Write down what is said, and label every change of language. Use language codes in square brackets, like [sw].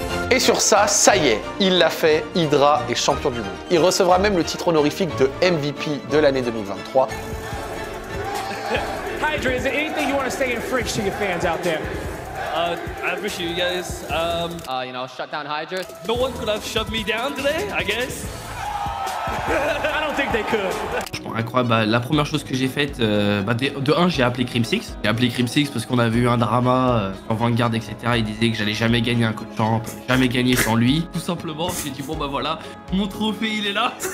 [fr] Et sur ça, ça y est, il l'a fait, Hydra est champion du monde. Il recevra même le titre honorifique de MVP de l'année 2023. [en] Hydra, is there anything you want to say in French to your fans out there? I appreciate you guys. You know, shut down Hydra. No one could have shut me down today, I guess. I don't think they could. [fr] Incroyable, bah, la première chose que j'ai faite, j'ai appelé Crim 6. J'ai appelé Crim 6 parce qu'on avait eu un drama sur Vanguard, etc. Il disait que j'allais jamais gagner un coach champ, jamais gagner sans lui. Tout simplement, j'ai dit bon bah voilà, mon trophée il est là.